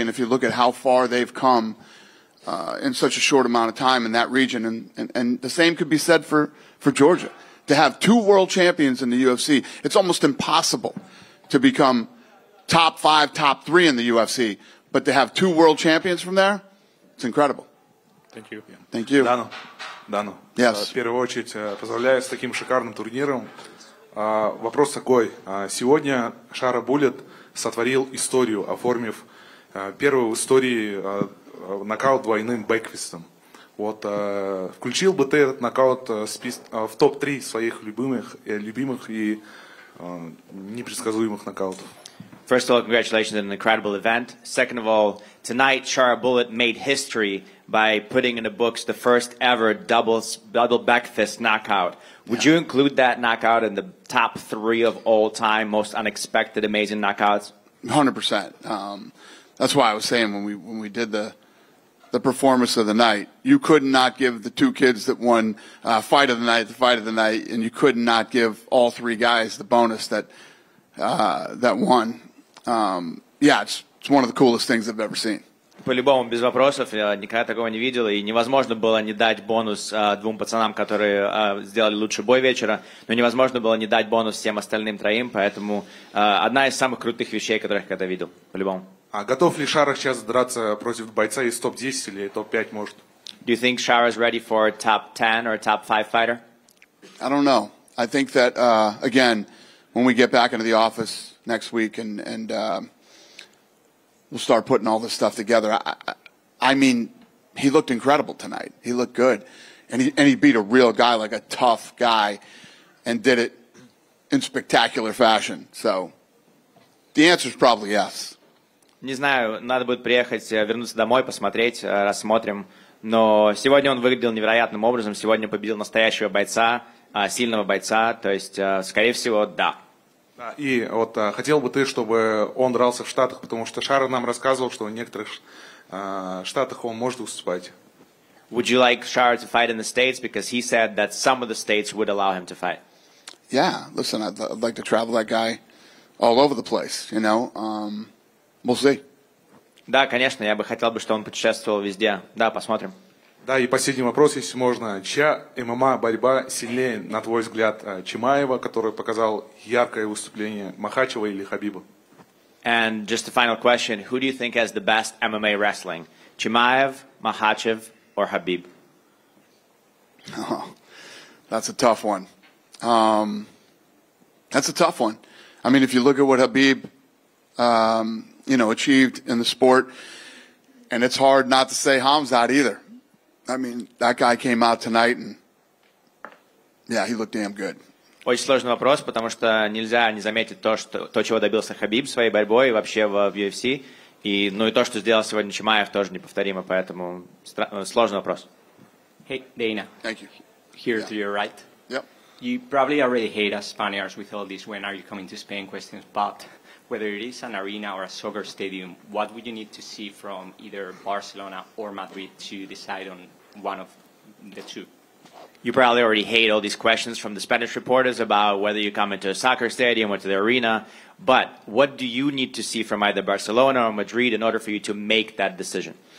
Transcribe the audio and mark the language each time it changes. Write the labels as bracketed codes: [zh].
[en] And if you look at how far they've come in such a short amount of time in that region, and the same could be said for Georgia. To have two world champions in the UFC, it's almost impossible to become top five, top three in the UFC. But to have two world champions from there, it's incredible. Thank you. Thank you. Дану. Yes. [ru] В первую очередь, поздравляю с таким шикарным турниром. Вопрос такой. Сегодня Шара Буллет сотворил историю, оформив первую в истории нокаут двойным бэквистом. Вот, включил бы ты этот нокаут в топ-3 своих любимых и непредсказуемых нокаутов? [en] First of all, congratulations on an incredible event. Second of all, tonight Shara Bullet made history by putting in the books the first ever double backfist knockout. Would you include that knockout in the top three of all time, most unexpected, amazing knockouts? 100%. That's why I was saying when we did the performance of the night, you could not give the two kids that won fight of the night the fight of the night, and you could not give all three guys the bonus that won. It's one of the coolest things I've ever seen. [ru] По-любому, без вопросов, я никогда такого не видел, и невозможно было не дать бонус двум пацанам, которые сделали лучший бой вечера, но невозможно было не дать бонус всем остальным троим, поэтому одна из самых крутых вещей, которых я когда видел, по-любому. А готов ли Шара сейчас драться против бойца из топ-10 или топ-5, может? [en] Do you think Shara is ready for top-10 or top-5 fighter? I don't know. I think that, again, when we get back into the office next week and we'll start putting all this stuff together. I mean, he looked incredible tonight. He looked good. And he beat a real guy, like a tough guy, and did it in spectacular fashion. So the answer is probably yes. [ru] Не знаю, надо будет приехать, вернуться домой, посмотреть, рассмотрим. Но сегодня он выглядел невероятным образом. Сегодня победил настоящего бойца, сильного бойца. То есть, скорее всего, да. И вот хотел бы ты, чтобы он дрался в Штатах, потому что Шара нам рассказывал, что в некоторых Штатах он может выступать. [en] Would you like Shara to fight in the States? Because he said that some of the states would allow him to fight. Yeah, listen, I'd like to travel that guy all over the place, you know. We'll see. [ru] Да, конечно, я бы хотел, чтобы он путешествовал везде. Да, посмотрим. Да, и последний вопрос, если можно. Чья ММА-борьба сильнее, на твой взгляд, Чимаева, который показал яркое выступление, Махачева или Хабиба? [en] And just a final question. Who do you think has the best MMA wrestling? Chimaev, Makhachev, or Habib? Oh, that's a tough one. That's a tough one. I mean, if you look at what Habib, you know, achieved in the sport, and it's hard not to say Hamzat either. I mean, that guy came out tonight, and yeah, he looked damn good. [ru] Очень сложный вопрос, потому что нельзя не заметить то, что, то, чего добился Хабиб своей борьбой вообще в UFC. И, ну и то, что сделал сегодня Чимаев, тоже неповторимо, поэтому сложный вопрос. [en] Hey, Dana. Thank you. Here yeah. to your right. Yep. You probably already hate us Spaniards with all these when are you coming to Spain questions, but whether it is an arena or a soccer stadium, what would you need to see from either Barcelona or Madrid to decide on one of the two? You probably already hate all these questions from the Spanish reporters about whether you come into a soccer stadium or to the arena, but what do you need to see from either Barcelona or Madrid in order for you to make that decision?